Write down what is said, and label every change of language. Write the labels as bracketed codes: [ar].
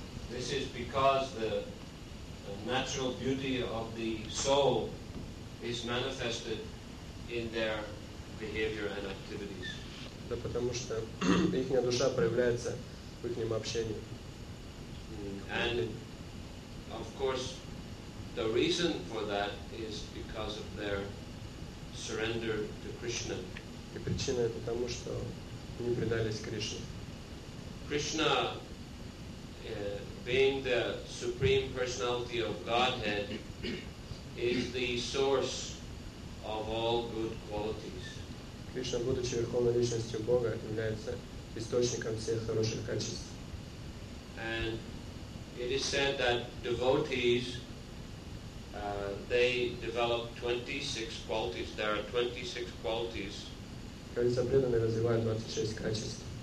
[en] this is because the natural beauty of the soul is manifested in their behavior and activities. [ru] Да, потому что ихняя душа проявляется в ихнем общении. [en] And of course, the reason for that is because of their surrender to Krishna. [ru] И причина это потому что они предались Кришне. [en] Krishna, being the supreme personality of Godhead, is the source of all good qualities. [ru] Кришна, будучи верховной личностью Бога, является источником всех хороших качеств. [en] And it is said that devotees, they develop 26 qualities. There are 26 qualities. [ru] Кажется, преданные развивают 26 качеств.